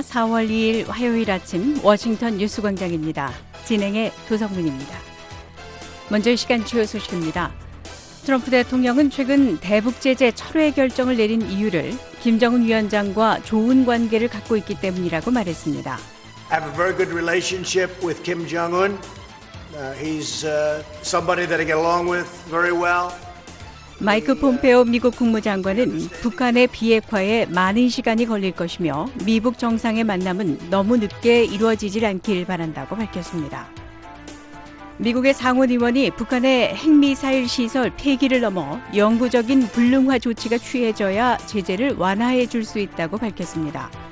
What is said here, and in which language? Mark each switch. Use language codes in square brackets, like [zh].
[ko] 4월 2일 화요일 아침 워싱턴 뉴스 광장입니다. 진행의 조성민입니다. 먼저 이 시간 주요 소식입니다. 트럼프 대통령은 최근 대북 제재 철회 결정을 내린 이유를 김정은 위원장과 좋은 관계를 갖고 있기 때문이라고 말했습니다. [en] I have a very good relationship with Kim Jong-un. He's somebody that I get along with very well. [ko] 마이크 폼페오 미국 국무장관은 북한의 비핵화에 많은 시간이 걸릴 것이며 미북 정상의 만남은 너무 늦게 이루어지질 않길 바란다고 밝혔습니다. 미국의 상원의원이 북한의 핵미사일 시설 폐기를 넘어 영구적인 불능화 조치가 취해져야 제재를 완화해 줄 수 있다고 밝혔습니다.